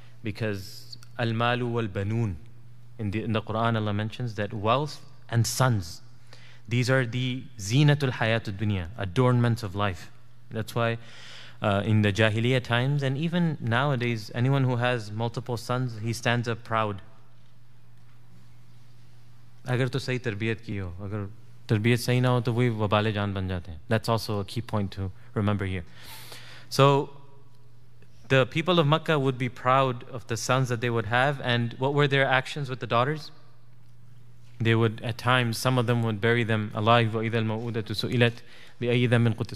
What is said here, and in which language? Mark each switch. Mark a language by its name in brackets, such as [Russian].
[English] Because [Arabic] al-malu wal-banun, [English] in the Quran Allah mentions that wealth and sons, these are the zinatul hayatul dunya, adornments of life. That's why in the jahiliya times, and even nowadays, anyone who has multiple sons, he stands up proud. [Urdu] اگر تو صحیح تربیت کی ہو، اگر تربیت صحیح نہ ہو، تو وہ وبالِ جان بن جاتے ہیں۔ [English] That's also a key point to remember here. So the people of Makkah would be proud of the sons that they would have, and what were their actions with the daughters? They would, at times, some of them would bury them alive. [Arabic] وَإِذَا الْمَوْءُودَةُ سُئِلَتْ بِأَيِّذَا مِنْ قُتِلَ.